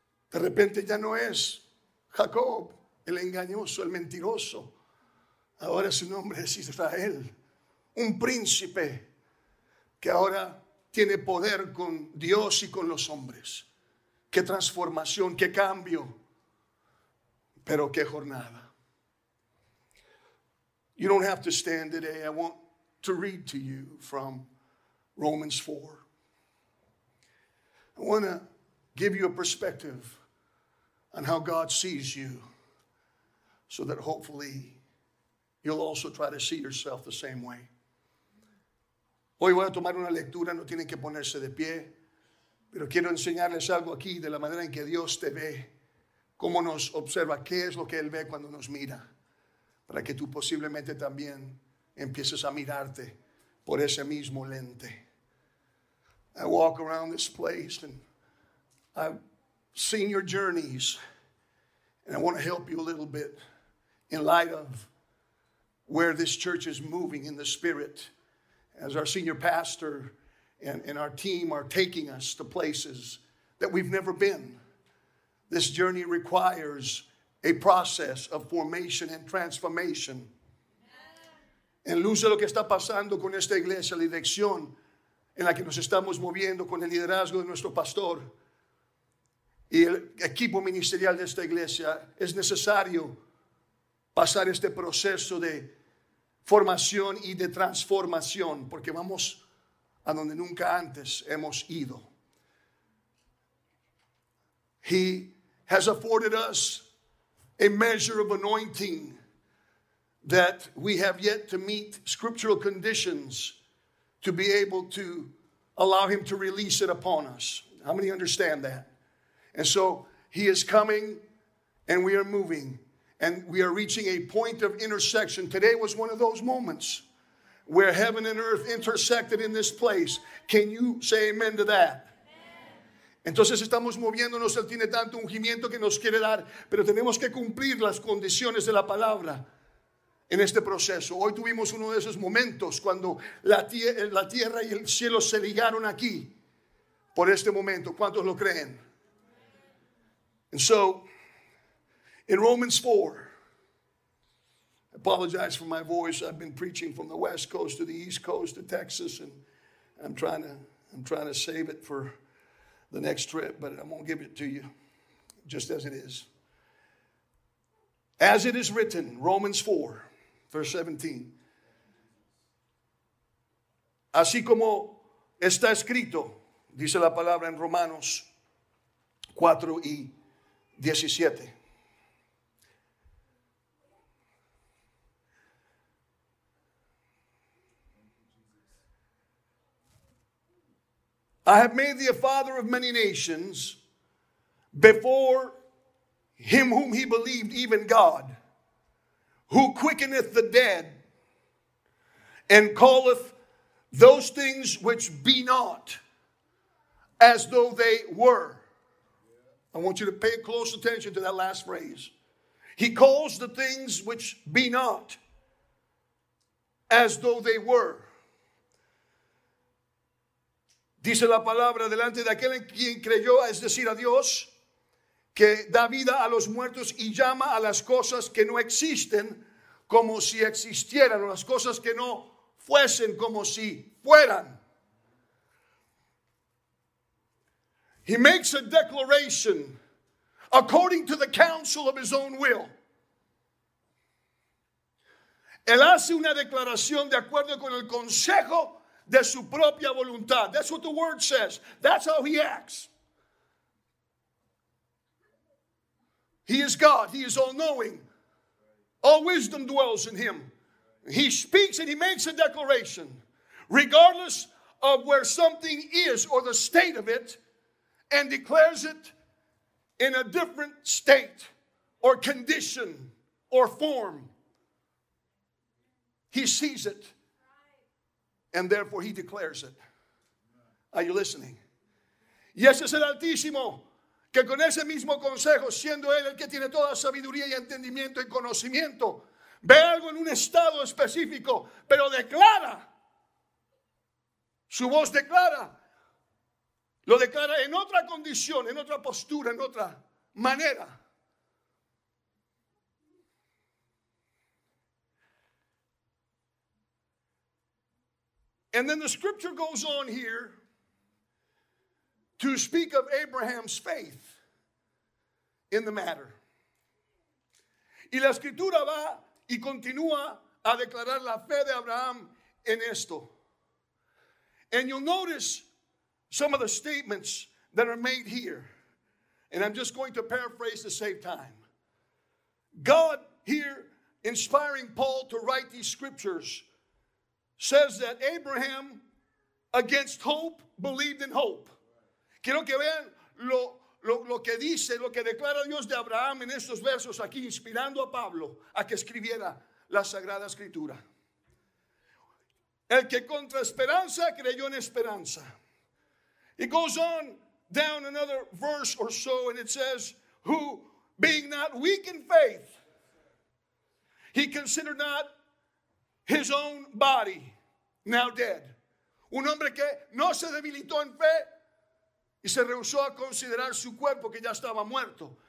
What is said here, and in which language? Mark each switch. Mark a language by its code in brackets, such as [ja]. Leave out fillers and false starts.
[es] De repente ya no es Jacob, el engañoso, el mentiroso. Ahora su nombre es Israel, un príncipe que ahora tiene poder con Dios y con los hombres. Qué transformación, qué cambio, pero qué jornada. [en] You don't have to stand today. I want to read to you from Romans 4. I want to give you a perspective on how God sees you, so that hopefully you'll also try to see yourself the same way. [es] Hoy voy a tomar una lectura, no tienen que ponerse de pie, pero quiero enseñarles algo aquí de la manera en que Dios te ve, cómo nos observa, qué es lo que Él ve cuando nos mira, para que tú posiblemente también empieces a mirarte por ese mismo lente. [en] I walk around this place and I seen your journeys, and I want to help you a little bit in light of where this church is moving in the Spirit, as our senior pastor and our team are taking us to places that we've never been. This journey requires a process of formation and transformation. [es] En luz de lo que está pasando con esta iglesia, la dirección en la que nos estamos moviendo con el liderazgo de nuestro pastor y el equipo ministerial de esta iglesia, es necesario pasar este proceso de formación y de transformación, porque vamos a donde nunca antes hemos ido. [en] He has afforded us a measure of anointing that we have yet to meet scriptural conditions to be able to allow him to release it upon us. How many understand that? And so he is coming and we are moving and we are reaching a point of intersection. Today was one of those moments where heaven and earth intersected in this place. Can you say amen to that? [es] Entonces estamos moviéndonos, él tiene tanto ungimiento que nos quiere dar, pero tenemos que cumplir las condiciones de la palabra en este proceso. Hoy tuvimos uno de esos momentos cuando la tierra y el cielo se ligaron aquí por este momento. ¿Cuántos lo creen? [en] And so, in Romans 4, I apologize for my voice. I've been preaching from the West Coast to the East Coast to Texas, and I'm trying to save it for the next trip, but I won't give it to you just as it is. As it is written, Romans 4, verse 17. [es] Así como está escrito, dice la palabra en Romanos 4 y 17. [en] I have made thee a father of many nations before him whom he believed, even God, who quickeneth the dead and calleth those things which be not as though they were. I want you to pay close attention to that last phrase. He calls the things which be not as though they were. [es] Dice la palabra, delante de aquel en quien creyó, es decir, a Dios, que da vida a los muertos y llama a las cosas que no existen como si existieran, o las cosas que no fuesen como si fueran. [en] He makes a declaration according to the counsel of his own will. [es] Él hace una declaración de acuerdo con el consejo de su propia voluntad. [en] That's what the word says. That's how he acts. He is God. He is all knowing. All wisdom dwells in him. He speaks and he makes a declaration. Regardless of where something is or the state of it. And declares it in a different state or condition or form. He sees it. And therefore he declares it. Are you listening? [es] Y ese es el Altísimo, que con ese mismo consejo, siendo él el que tiene toda sabiduría y entendimiento y conocimiento, ve algo en un estado específico, pero declara. Su voz declara. Lo declara en otra condición, en otra postura, en otra manera. [en] And then the scripture goes on here to speak of Abraham's faith in the matter. [es] Y la escritura va y continúa a declarar la fe de Abraham en esto. [en] And you'll notice some of the statements that are made here. And I'm just going to paraphrase to save time. God here inspiring Paul to write these scriptures says that Abraham, against hope, believed in hope. [es] Quiero que vean lo que dice, lo que declara Dios de Abraham en estos versos aquí, inspirando a Pablo a que escribiera la Sagrada Escritura. El que contra esperanza creyó en esperanza. [en] It goes on, down another verse or so, and it says, who, being not weak in faith, he considered not his own body now dead. [es] Un hombre que no se debilitó en fe y se rehusó a considerar su cuerpo que ya estaba muerto.